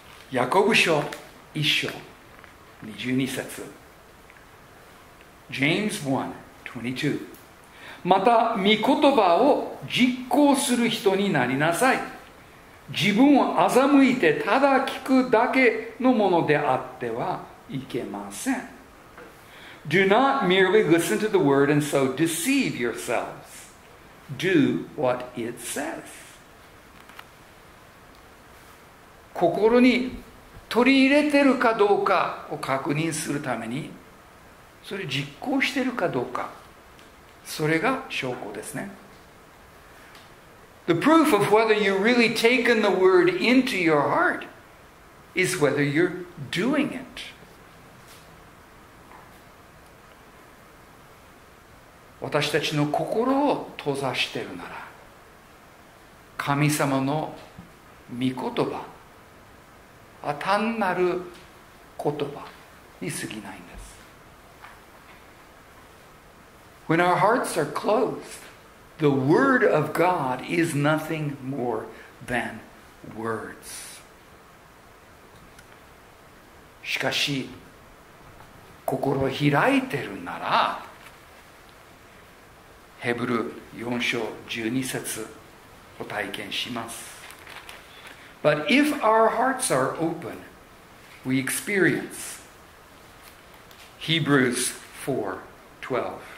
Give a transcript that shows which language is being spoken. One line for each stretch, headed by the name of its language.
Japanese: ヤコブ書1章22節 James 1:22、 また御言葉を実行する人になりなさい。自分を欺いてただ聞くだけのものであってはいけません。
English: Do not merely listen to the word and so deceive yourselves. Do what it says.
Japanese: 心に取り入れてるかどうかを確認するために、それ実行してるかどうか、それが証拠ですね。
English: The proof of whether you've really taken the word into your heart is whether you're doing it.
Japanese: 私たちの心を閉ざしているなら、神様の御言葉は単なる言葉に過ぎないんです。
English: When our hearts are closed,The word of God is nothing more than words.
Japanese: しかし、心を開いてるなら、ヘブル4章12節を体験します。
English: But if our hearts are open, we experience Hebrews 4:12.